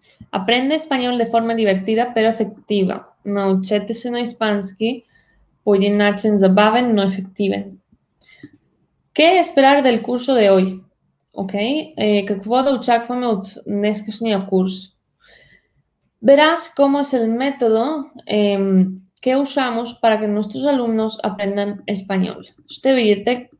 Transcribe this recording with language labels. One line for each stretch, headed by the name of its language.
Spanish: Aprende español de forma divertida, pero efectiva.
Bulgarian: Научете се на испански по един начин забавен, но ефективен.
Spanish: ¿Qué esperar del curso de hoy?
English: Okay.
Bulgarian: Какво да очакваме от днескашния курс?
Spanish: Verás cómo es el método que usamos para que nuestros alumnos aprendan español.
Bulgarian: Ще видите